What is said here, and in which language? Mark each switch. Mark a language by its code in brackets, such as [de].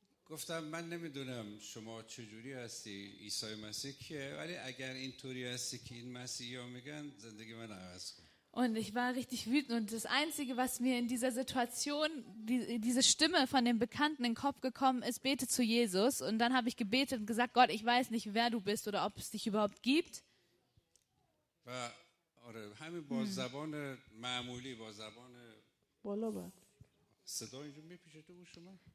[fa] گفتم من نمیدونم شما چجوری هستی عیسی مسیح کیه ولی اگر اینطوری هستی که این مسیحا میگن زندگی من عوض کن. [de] Und ich war richtig wütend und das einzige was mir in dieser Situation diese Stimme von dem Bekannten in den Kopf gekommen ist, bete zu Jesus und dann habe ich gebetet und gesagt, Gott, ich weiß nicht, wer du bist oder ob es dich überhaupt gibt. [fa] و آره همین با زبان معمولی با زبان بالا بعد صدا اینجوری میپیچه تو گوش من.